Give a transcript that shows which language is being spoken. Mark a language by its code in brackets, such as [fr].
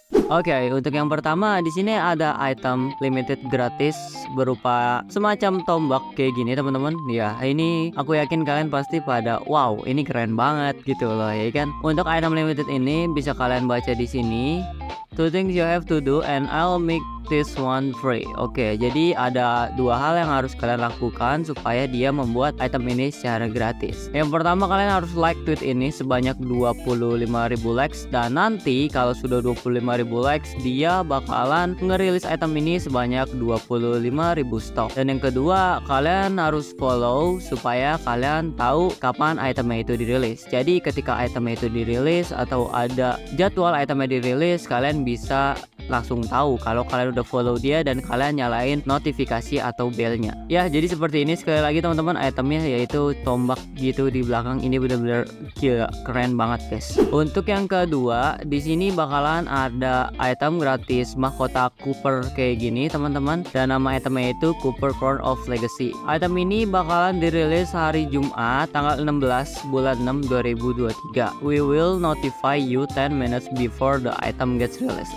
[id] Oke, untuk yang pertama di sini ada item limited gratis berupa semacam tombak kayak gini, teman-teman. Ya, ini aku yakin kalian pasti pada wow, ini keren banget gitu loh, ya kan. Untuk item limited ini bisa kalian baca di sini. [en] Two things you have to do and I'll make this one free. [id] Oke, jadi ada dua hal yang harus kalian lakukan supaya dia membuat item ini secara gratis. Yang pertama, kalian harus like tweet ini sebanyak 25.000 likes, dan nanti kalau sudah 25.000 likes, dia bakalan ngerilis item ini sebanyak 25.000 stock. Dan yang kedua, kalian harus follow supaya kalian tahu kapan itemnya itu dirilis. Jadi ketika itemnya itu dirilis atau ada jadwal itemnya dirilis, kalian bisa langsung tahu kalau kalian udah follow dia dan kalian nyalain notifikasi atau bellnya. Ya, jadi seperti ini. Sekali lagi teman-teman, itemnya yaitu tombak gitu di belakang ini, bener-bener gila, keren banget guys. Untuk yang kedua, di sini bakalan ada item gratis mahkota Cooper kayak gini, teman-teman. Dan nama itemnya itu Cooper Crown of Legacy. Item ini bakalan dirilis hari Jumat tanggal 16 bulan 6 2023. [en] We will notify you 10 minutes before the item gets released.